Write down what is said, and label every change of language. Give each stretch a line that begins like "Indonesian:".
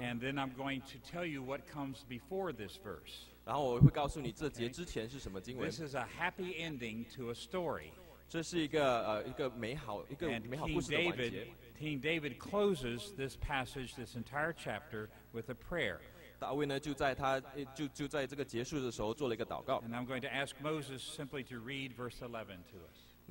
English: and then I'm going to tell you what comes before this verse. Okay. This is a happy ending to a story.
Chinese: 这是一个美好故事的完结。King David
English: closes this passage, this entire chapter, with a prayer.
Chinese: 大卫呢就在这个结束的时候做了一个祷告。
English: And I'm going to ask Moses simply to read verse 11 to us.